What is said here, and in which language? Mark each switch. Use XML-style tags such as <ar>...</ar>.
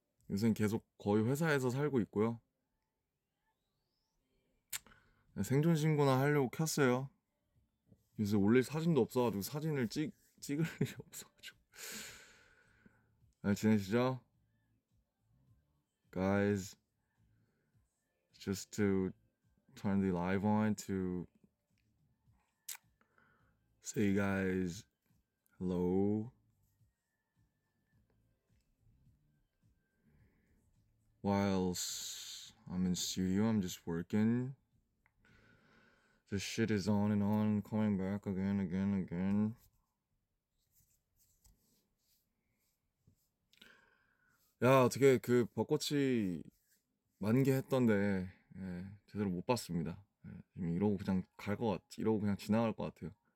<ko>요새는 계속 거의 회사에서 살고 있고요. 네, 생존신고나 하려고 켰어요. 요새 올릴 사진도 없어가지고 사진을 찍을 일이 없어가지고. 잘 지내시죠?</ko> <en>Guys, just to turn the live on to say you guys hello. While I'm in studio, I'm just working. The shit is on and on, coming back again, again, again.</en> <ko>야, 어떻게 그 벚꽃이 만개했던데. 예, 제대로 못 봤습니다. 예, 지금 이러고 그냥 갈 것 같지, 이러고 그냥 지나갈 것 같아요.</ko>